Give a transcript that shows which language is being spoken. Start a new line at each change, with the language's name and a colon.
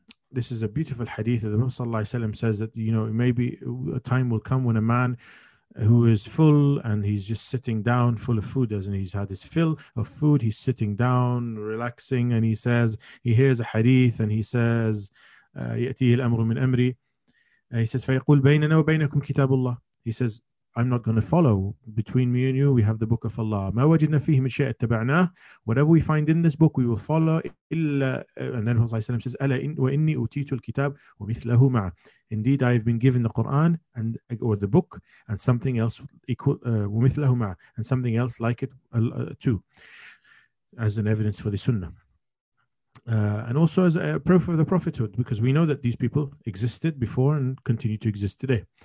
English: This is a beautiful hadith. The Prophet sallallahu alayhi wa sallam says that, maybe a time will come when a man who is full and he's just sitting down, full of food, as in he's had his fill of food, he's sitting down, relaxing, and he says, he hears a hadith and he says,
Arabic: يَأْتِيهِ الْأَمْرُ مِنْ أَمْرِي.
English: He says,
Arabic: فَيَقُلْ بَيْنَنَا وَبَيْنَكُمْ كِتَابُ اللَّهِ.
English: He says, I'm not going to follow. Between me and you, we have the book of Allah.
Arabic: مَا وَجِدْنَا فِيهِ مِنْ شَيْءٍ اتَّبَعْنَاهُ.
English: Whatever we find in this book, we will follow. And then Prophet ﷺ says,
Arabic: أَلَا وَإِنِّي أُوتِيتُ الْكِتَابُ وَمِثْلَهُ مَعَ.
English: Indeed, I have been given the Quran and or the book and something else equal
Arabic: وَمِثْلَهُ مَعَ.
English: And something else like it too, as an evidence for the Sunnah. And also as a proof of the prophethood, because we know that these people existed before and continue to exist today.